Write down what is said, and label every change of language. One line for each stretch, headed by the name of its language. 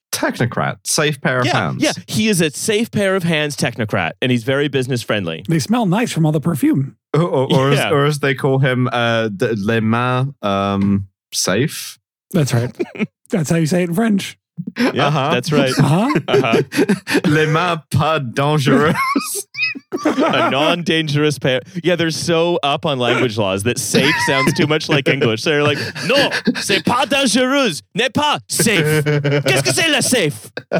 English: Technocrat, safe pair of hands. Yeah, he is a safe pair of hands technocrat, and he's very business friendly. They smell nice from all the perfume. Or as they call him,
French: les mains safe.
English: That's right. That's how you say it in French. Yeah, uh-huh. That's right. Uh-huh.
French: Les mains pas dangereuses.
English: A non-dangerous pair. Yeah, they're so up on language laws that safe sounds too much like English. So they're like, no,
French: c'est pas dangereux, n'est pas safe. Qu'est-ce que c'est la safe?